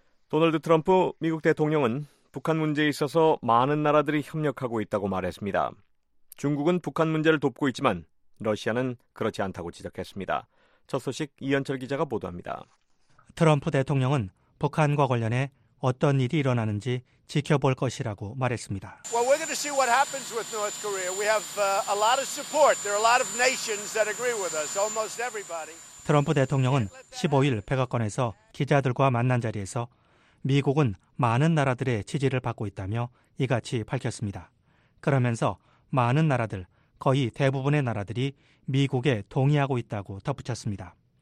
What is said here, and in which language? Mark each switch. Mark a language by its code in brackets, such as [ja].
[ko] 도널드 트럼프 미국 대통령은 북한 문제에 있어서 많은 나라들이 협력하고 있다고 말했습니다. 중국은 북한 문제를 돕고 있지만 러시아는 그렇지 않다고 지적했습니다. 첫 소식 이현철 기자가 보도합니다. 트럼프 대통령은 북한과 관련해 어떤 일이 일어나는지 지켜볼 것이라고 말했습니다. [en] Well, we're going to see what happens with North Korea. We have a lot of support. There are a lot of nations that agree with us, almost everybody. [ko] 트럼프 대통령은 15일 백악관에서 기자들과 만난 자리에서 미국은 많은 나라들의 지지를 받고 있다며 이같이 밝혔습니다. 그러면서 많은 나라들, 거의 대부분의 나라들이 미국에 동의하고 있다고 덧붙였습니다.